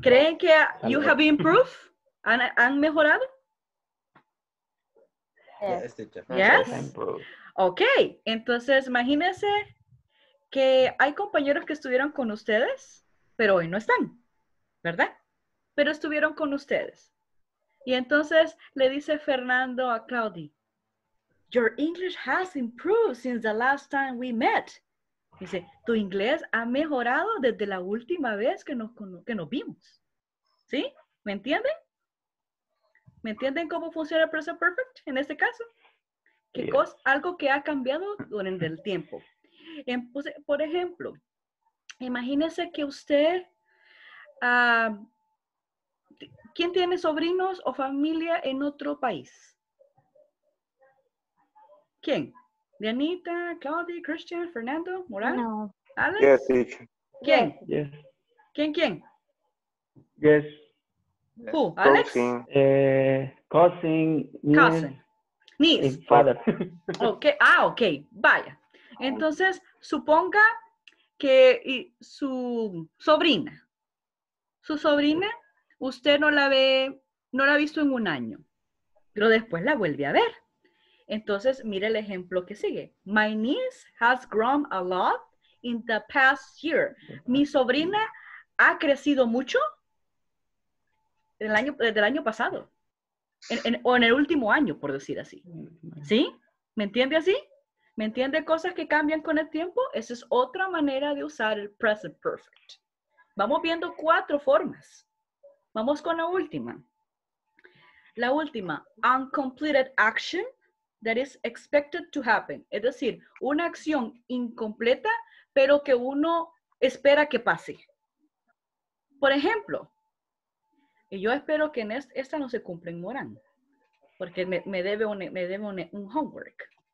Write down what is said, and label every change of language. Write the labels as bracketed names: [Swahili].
[Spanish] ¿Creen que [English] you have improved? [Spanish] ¿Han mejorado? [English] Yes. Yes. [Spanish] Ok, entonces imagínense que hay compañeros que estuvieron con ustedes, pero hoy no están, ¿verdad? Pero estuvieron con ustedes. Y entonces le dice Fernando a Claudia, [English] your English has improved since the last time we met. [Spanish] Dice, tu inglés ha mejorado desde la última vez que nos vimos. ¿Sí? ¿Me entienden? ¿Me entienden cómo funciona el present perfect en este caso? ¿Qué cosa? Algo que ha cambiado durante el tiempo. Por ejemplo, imagínese que usted, ¿quién tiene sobrinos o familia en otro país? ¿Quién? ¿Dianita, Claudia, Christian, Fernando, Morán? No. ¿Alex? [English] Yes, sí. [Spanish] ¿Quién? [English] Yes. [Spanish] ¿Quién? [English] Yes. ¿Who? ¿Alex? Cousin. Niece. Father. Okay. Ah, ok. Vaya. [Spanish] Entonces, suponga que su sobrina, usted no la ha visto en un año, pero después la vuelve a ver. Entonces, mire el ejemplo que sigue. [English] My niece has grown a lot in the past year. [Spanish] Mi sobrina ha crecido mucho desde el año pasado. En el último año, por decir así. ¿Sí? ¿Me entiende así? ¿Me entiende cosas que cambian con el tiempo? Esa es otra manera de usar el present perfect. Vamos viendo 4 formas. Vamos con la última. La última, [English] uncompleted action that is expected to happen. [Spanish] Es decir, una acción incompleta, pero que uno espera que pase. Por ejemplo, y yo espero que en esta no se cumpla en Morán, porque me debe un homework.